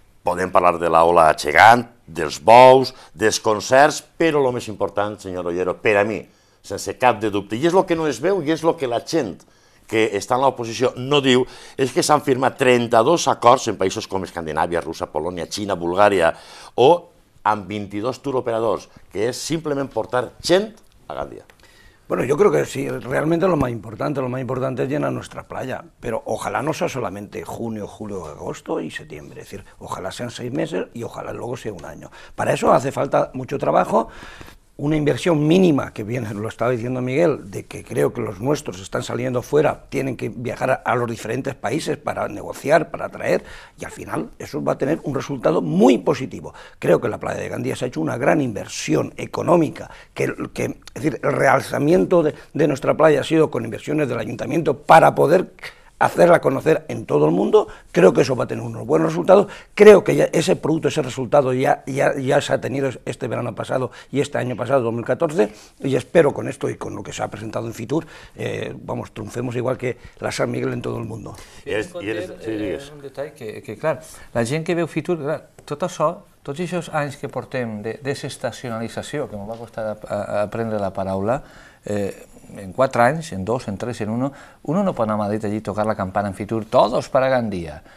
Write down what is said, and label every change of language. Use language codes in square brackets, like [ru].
[ca] Podem parlar de l'ola gegant, dels bous, dels concerts, però el més important, senyor Ollero, per a mi, sense cap de dubte, i és el que no es veu i és el que la gent que està en l'oposició no diu, és que s'han firmat 32 acords en països com Escandinàvia, Rússia, Polònia, Xina, Bulgària, o amb 22 turoperadors, que és simplement portar gent a Gandia. [es] Bueno, yo creo que sí, realmente lo más importante es llenar nuestra playa, pero ojalá no sea solamente junio, julio, agosto y septiembre, es decir, ojalá sean seis meses y ojalá luego sea un año. Para eso hace falta mucho trabajo, una inversión mínima, que bien lo estaba diciendo Miguel, de que creo que los nuestros están saliendo fuera, tienen que viajar a los diferentes países para negociar, para traer, y al final eso va a tener un resultado muy positivo. Creo que la playa de Gandía se ha hecho una gran inversión económica, es decir, el realzamiento de nuestra playa ha sido con inversiones del ayuntamiento para poder hacerla conocer en todo el mundo. Creo que eso va a tener unos buenos resultados, creo que ya ese producto, ese resultado ya se ha tenido este verano pasado y este año pasado, 2014, y espero con esto y con lo que se ha presentado en Fitur, vamos, triunfemos igual que la San Miguel en todo el mundo. [ca] Y es un detall que claro, la gent que veu Fitur, clar, tot això, tots aquests anys que portem de desestacionalització, que m'ho va costar a prendre la paraula, en 4 anys, en 2, en 3, en 1, uno no pot anar a Madrid allí a tocar la campana en Fitur, [es] todos para Gandia.